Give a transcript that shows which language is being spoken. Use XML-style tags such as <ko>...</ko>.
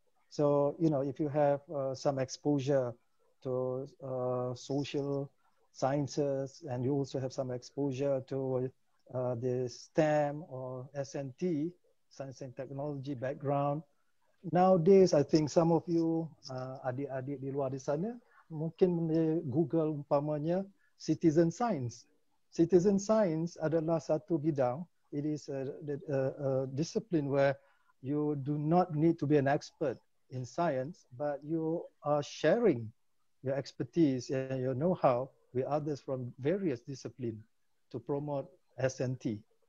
<en>So, you know, if you have some exposure to social sciences and you also have some exposure to the STEM or S&T, science and technology background, nowadays, I think some of you,</en> <id>adik-adik di luar di sana, mungkin Google umpamanya</id> <en>citizen science.</en> <id>Citizen science adalah satu bidang.</id> <en>It is a discipline where you do not need to be an expert in science, but you are sharing your expertise and your know-how with others from various disciplines to promote S&T.</en>